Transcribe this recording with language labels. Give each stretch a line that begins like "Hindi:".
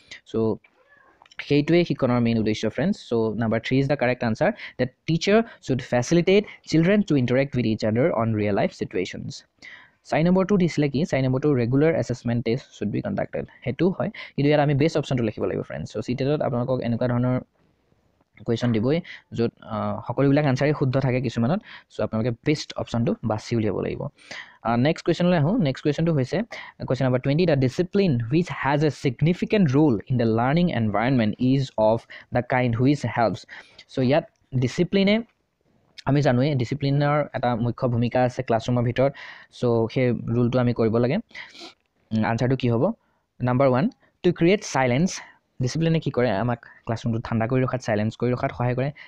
English: চ'
Assamese: সেইটোৱেই শিক্ষণৰ মেইন উদ্দেশ্য friends.
English: So' number three is the correct answer, that teacher should facilitate children to interact with each other on real life situations.
Assamese: চাৰি নম্বৰটো দিছিলে কি, চাৰি নম্বৰটো
English: regular assessment test should be conducted,
Assamese: সেইটো হয়। কিন্তু ইয়াত আমি বেষ্ট অপশ্যনটো লিখিব লাগিব ফ্ৰেণ্ডছ। চ' চিটেটত আপোনালোকক এনেকুৱা ধৰণৰ কুৱেশ্যন দিবই য'ত সকলোবিলাক আনচাৰেই শুদ্ধ থাকে কিছুমানত। চ' আপোনালোকে বেষ্ট অপশ্যনটো বাছি উলিয়াব লাগিব। নেক্সট কুৱেশ্যনলৈ আহোঁ। নেক্সট কুৱেশ্যনটো হৈছে
English: Question number 20, the discipline which has a significant role in the learning environment is of the kind which helps.
Assamese: চ' ইয়াত ডিচিপ্লিনে, আমি জানোৱেই ডিচিপ্লিনৰ এটা মুখ্য ভূমিকা আছে ক্লাছৰুমৰ ভিতৰত। চ' সেই ৰোলটো আমি কৰিব লাগে। আনচাৰটো কি হ'ব, number one,
English: to create silence,
Assamese: ডিচিপ্লিনে কি কৰে আমাক ক্লাছৰুমটো ঠাণ্ডা কৰি ৰখাত, ছাইলেঞ্চ কৰি ৰখাত সহায় কৰে।